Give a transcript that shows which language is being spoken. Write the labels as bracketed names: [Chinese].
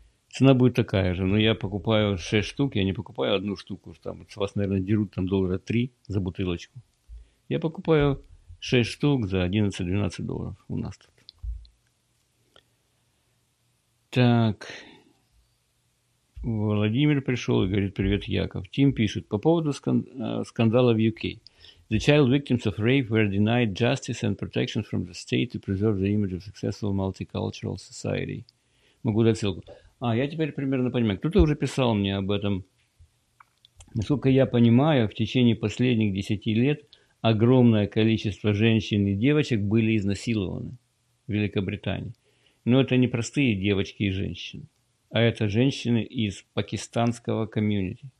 [Russian] Цена будет такая же, но я покупаю 6 штук, я не покупаю одну штуку, там с вас, наверное, дерут там доллара 3 за бутылочку. Я покупаю 6 штук за 11-12 долларов у нас тут. Так... Владимир пришел и говорит, привет, Яков. Тим пишет, по поводу скандала в UK. [English] The child victims of rape were denied justice and protection from the state to preserve the image of successful multicultural society. [Russian] Могу дать ссылку. А, я теперь примерно понимаю. Кто-то уже писал мне об этом. Насколько я понимаю, в течение последних 10 лет огромное количество женщин и девочек были изнасилованы в Великобритании. Но это не простые девочки и женщины. А это женщины из пакистанского комьюнити.